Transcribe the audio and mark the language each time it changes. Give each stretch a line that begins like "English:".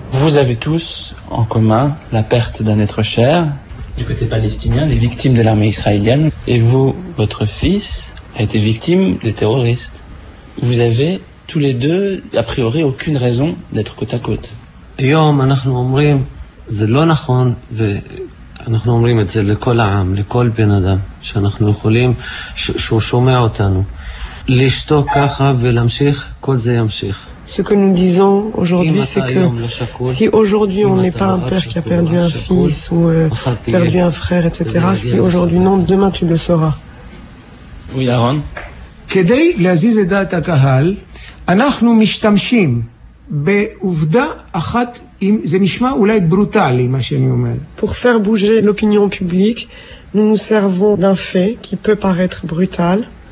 French: Vous avez tous en commun la perte d'un être cher du côté palestinien, les victimes de l'armée israélienne, et vous, votre fils a été victime des terroristes. Vous avez tous les deux a priori aucune raison d'être côte à côte.
Hebrew: Yom anachnu omrim ze lo nachon ve אנחנו אומרים את זה לכל העם, לכל בן אדם שאנחנו יכולים, שהוא שומע אותנו. לשתוק ככה ולהמשיך, כל זה ימשיך.
French: Ce que nous disons aujourd'hui, c'est que si aujourd'hui on n'est pas un père qui a perdu un fils ou perdu un frère, etc., si aujourd'hui non, demain tu le sauras. Oui, Aaron.
Hebrew: כדי להזיז את דעת הקהל, אנחנו משתמשים בעובדה אחת.
French: Pour faire bouger l'opinion publique, nous nous servons d'un fait qui peut paraître brutal.